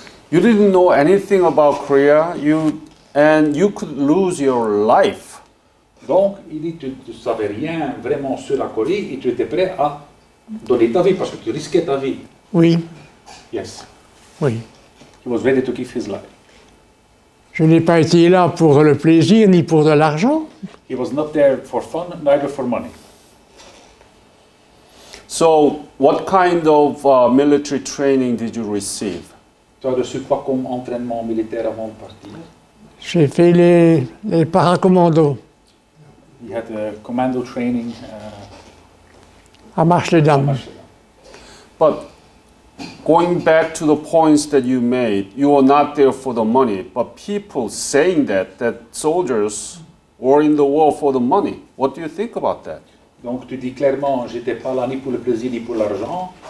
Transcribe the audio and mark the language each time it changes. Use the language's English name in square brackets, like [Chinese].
[English] You didn't know anything about Korea, and you could lose your life. [French] Donc, il dit que tu ne savais rien vraiment sur la Corée et tu étais prêt à donner ta vie parce que tu risquais ta vie. Oui. [English] Yes. [French] Oui. [English] He was ready to give his life. [French] Je n'ai pas été là pour le plaisir ni pour de l'argent. [English] He was not there for fun, neither for money. So, what kind of military training did you receive? [French] Tu as reçu quoi comme entraînement militaire avant de partir? J'ai fait les paracommandos. [English] You had a commando training [French] à Marche-les-Dames. [English] But going back to the points that you made, you were not there for the money, but people saying that soldiers were in the war for the money. What do you think about that? [French] Donc tu dis clairement, j'étais pas là ni pour le plaisir ni pour l'argent.